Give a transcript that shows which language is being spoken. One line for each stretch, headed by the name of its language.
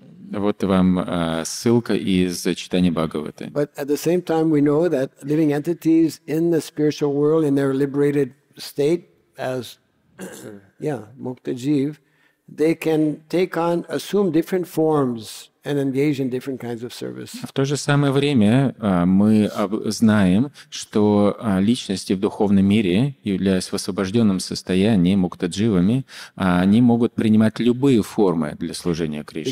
Russian: Вот вам ссылка из читания Бхагавата.
English: But at the same time, we know that living entities in the spiritual world, in their liberated state, as mukta jiv, they can take on, assume different forms and engage in different kinds of service.
Russian: В то же самое время мы знаем, что личности в духовном мире, являясь в освобожденном состоянии, муктадживами, они могут принимать любые формы для служения Кришне.